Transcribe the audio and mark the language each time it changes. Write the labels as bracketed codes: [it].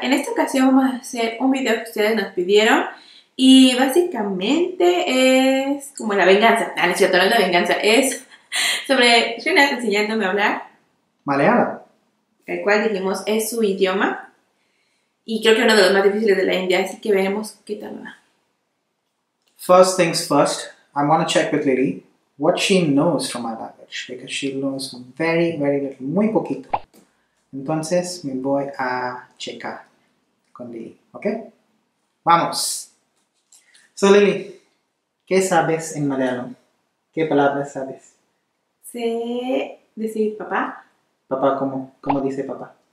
[es] En esta ocasión vamos a hacer un video que ustedes nos pidieron y básicamente es como la venganza. Ah, no es cierto, no es la venganza. Es sobre Jonas enseñándome a hablar maleada, el cual dijimos es su idioma y creo que uno de los más difíciles de la India, así que veremos qué tal va. [en] First things first, I want to check with Lily what she knows from my language, because she knows very, very little, [es] muy poquito. Entonces, me voy a checar con Lily, ¿ok? ¡Vamos! So, Lily, ¿qué sabes en malayalam? ¿Qué palabras sabes? Sé decir papá. ¿Papá cómo? ¿Cómo dice papá?